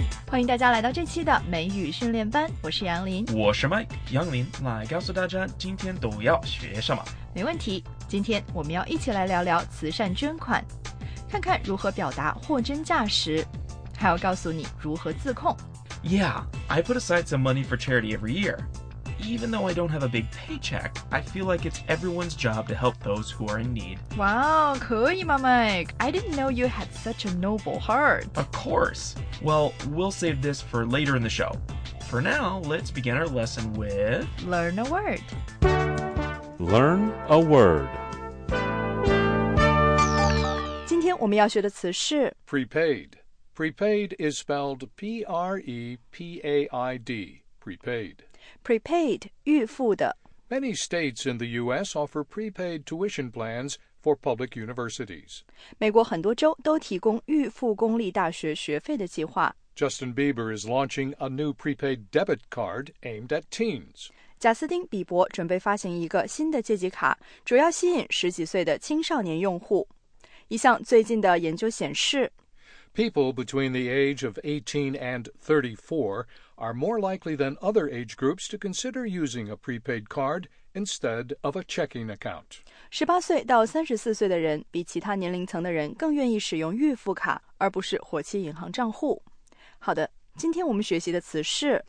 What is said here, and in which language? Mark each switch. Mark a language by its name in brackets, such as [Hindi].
[Chinese] 欢迎大家来到这期的美语训练班，我是杨林，我是 Mike 杨林，来告诉大家今天都要学什么。没问题，今天我们要一起来聊聊慈善捐款，看看如何表达货真价实，还要告诉你如何自控。 [English] Yeah, I put aside some money for charity every year. Even though I don't have a big paycheck, I feel like it's everyone's job to help those who are in need. Wow, [Chinese] 可以吗 Mike? [English] I didn't know you had such a noble heart. Of course. Well, we'll save this for later in the show. For now, let's begin our lesson with... Learn a word. Learn a word. [Chinese] 我们要学的词是 [English] prepaid. Prepaid is spelled P-R-E-P-A-I-D. Prepaid. [Chinese] Prepaid, 预付的. [English] Many states in the U.S. offer prepaid tuition plans for public universities. [Chinese] 美国很多州都提供预付公立大学学费的计划. [English] Justin Bieber is launching a new prepaid debit card aimed at teens. [Chinese] 贾斯汀·比伯准备发行一个新的借记卡，主要吸引十几岁的青少年用户。一项最近的研究显示 [English] People between the age of 18 and 34 are more likely than other age groups to consider using a prepaid card instead of a checking account. [Chinese] 18岁到34岁的人比其他年龄层的人更愿意使用预付卡而不是活期银行账户。好的，今天我们学习的词是